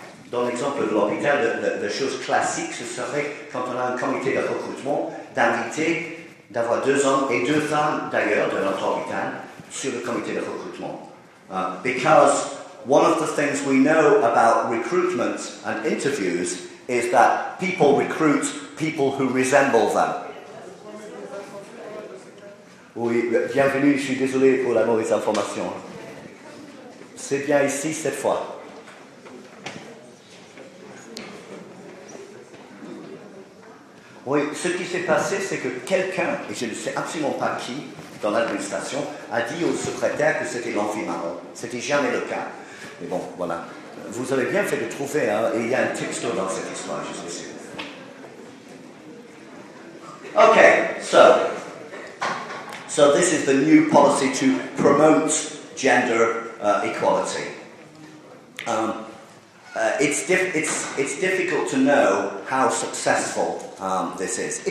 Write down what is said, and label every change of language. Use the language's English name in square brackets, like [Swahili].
[French] Dans l'exemple de l'hôpital, la chose classique, ce serait, quand on a un comité de recrutement, d'inviter, d'avoir deux hommes et deux femmes, d'ailleurs, de notre hôpital, sur le comité de recrutement. [English] Because one of the things we know about recruitment and interviews is that people recruit people who resemble them. [French] Oui, bienvenue, je suis désolé pour la mauvaise information. C'est bien ici cette fois. Oui, ce qui s'est passé, c'est que quelqu'un, et je ne sais absolument pas qui, dans l'administration, a dit au secrétaire que c'était l'amphi-marron. C'était jamais le cas. Mais bon, voilà. Vous avez bien fait de trouver, hein, et il y a un texto dans cette histoire, je suis sûr. [English] Ok, so this is the new policy to promote gender equality. It's difficult to know how successful this is.